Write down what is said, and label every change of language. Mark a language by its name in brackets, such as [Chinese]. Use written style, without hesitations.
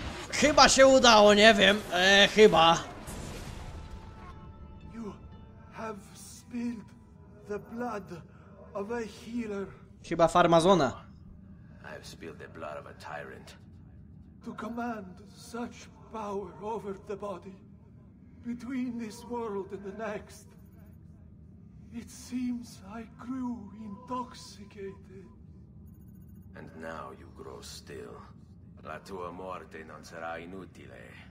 [Polish] Chyba się udało, nie wiem. Chyba. [English] You have spilled the blood of a healer. [Polish] Chyba farmazona. [English] I've spilled the blood of a tyrant. To command such power over the body, between this world and the next. It seems I grew intoxicated. And now you grow still. [Italian] La tua morte non sarà inutile.